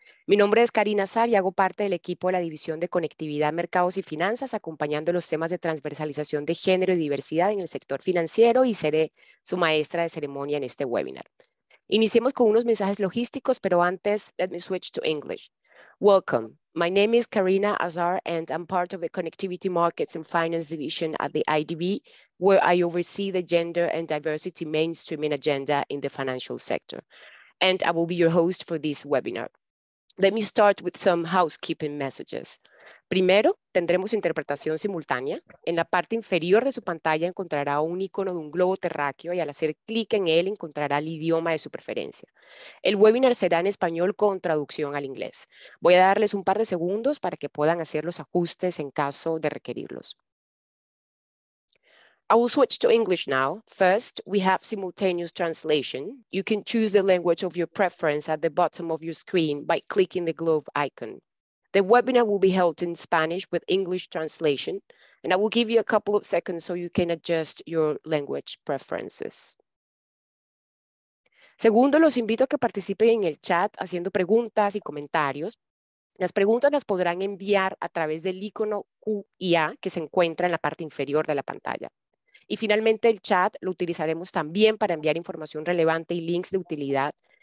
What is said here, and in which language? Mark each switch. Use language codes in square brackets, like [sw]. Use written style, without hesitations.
[es] Mi nombre es Karina Azar y hago parte del equipo de la División de Conectividad, Mercados y Finanzas, acompañando los temas de transversalización de género y diversidad en el sector financiero y seré su maestra de ceremonia en este webinar. Iniciemos con unos mensajes logísticos, pero antes, [en] let me switch to English. Welcome. My name is Karina Azar, and I'm part of the Connectivity Markets and Finance Division at the IDB, where I oversee the gender and diversity mainstreaming agenda in the financial sector. And I will be your host for this webinar. Let me start with some housekeeping messages. [es] Primero, tendremos interpretación simultánea. En la parte inferior de su pantalla encontrará un icono de un globo terráqueo y al hacer clic en él encontrará el idioma de su preferencia. El webinar será en español con traducción al inglés. Voy a darles un par de segundos para que puedan hacer los ajustes en caso de requerirlos. [en] I will switch to English now. First, we have simultaneous translation. You can choose the language of your preference at the bottom of your screen by clicking the globe icon. The webinar will be held in Spanish with English translation, and I will give you a couple of seconds so you can adjust your language preferences. [es] Segundo, los invito a que participen en el chat haciendo preguntas y comentarios. Las preguntas las podrán enviar a través del icono Q&A que se encuentra en la parte inferior de la pantalla. Y finalmente, el chat lo utilizaremos también para enviar información relevante y links de utilidad.